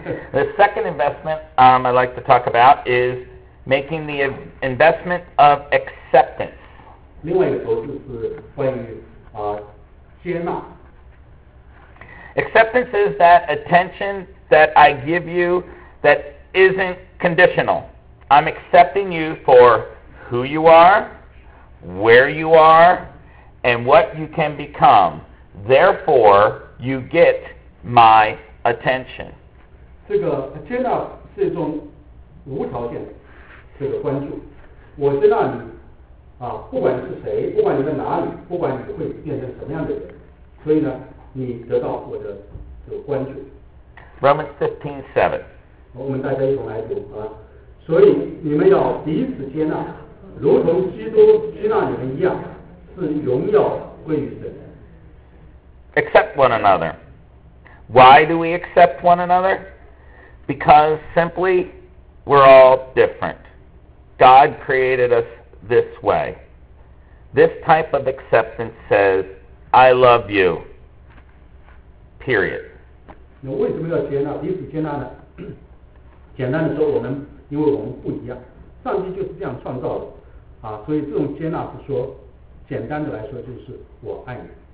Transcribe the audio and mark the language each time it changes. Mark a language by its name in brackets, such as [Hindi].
[English] The second investment I'd like to talk about is making the investment of acceptance. [Chinese] 另外一个投资是关于接纳。 [English] Acceptance is that attention that I give you that isn't conditional. I'm accepting you for who you are, where you are, and what you can become. Therefore, you get my attention. [Chinese] 这个接纳是一种无条件的这个关注。我接纳你。不管是谁，不管你在哪里，不管你会变成什么样的人，所以呢，你得到我的这个关注。 [English] Romans 15:7。 [Chinese] 我们大家一同来读啊。所以你们要彼此接纳，如同基督接纳你们一样，是荣耀归于神。 [English] Accept one another. Why do we accept one another? Because simply we're all different. God created us. This way. This type of acceptance says, I love you. Period. [Chinese] 那为什么要接纳彼此接纳呢？简单的说，我们因为我们不一样，上帝就是这样创造的啊，所以这种接纳是说，简单的来说就是我爱你。